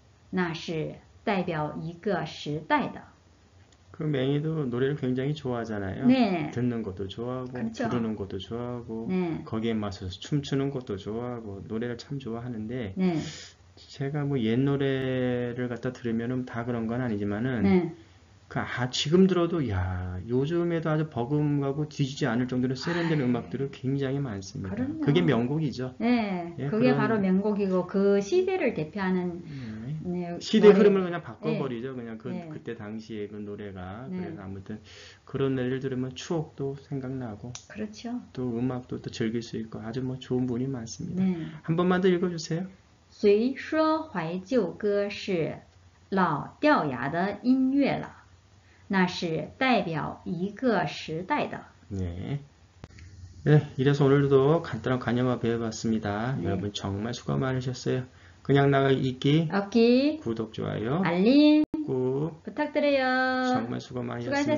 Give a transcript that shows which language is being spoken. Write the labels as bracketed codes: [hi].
[zh] 那是代表一个时代的。 [ko] 그 맹이도 노래를 굉장히 좋아하잖아요. 네. 듣는 것도 좋아하고, 그렇죠. 부르는 것도 좋아하고, 네. 거기에 맞춰서 춤추는 것도 좋아하고, 노래를 참 좋아하는데, 네. 제가 뭐옛 노래를 갖다 들으면 다 그런 건 아니지만은, 네. 지금 들어도, 야, 요즘에도 아주 버금가고 뒤지지 않을 정도로 세련된 음악들을 굉장히 많습니다. 그게 그럼요. 명곡이죠. 네, 예, 그게 바로 그런, 명곡이고 그 시대를 대표하는 네, 시대 노래. 흐름을 그냥 바꿔버리죠. 그냥 그때 당시에 그 노래가. 그래서 네. 아무튼 그런 노래를 들으면 추억도 생각나고 그렇죠. 또 음악도 또 즐길 수 있고 아주 뭐 좋은 분이 많습니다. 네. 한 번만 더 읽어주세요. [zh] 谁说怀旧歌是老掉牙的音乐了？那是代表一个时代的。 [ko] 네. 네, 이래서 오늘도 간단한 관념화 배워봤습니다. 네. 여러분 정말 수고 많으셨어요. 그냥 나가 읽기. 오케이. 구독, 좋아요, 알림 꾹. 부탁드려요. 정말 수고 많으셨습니다.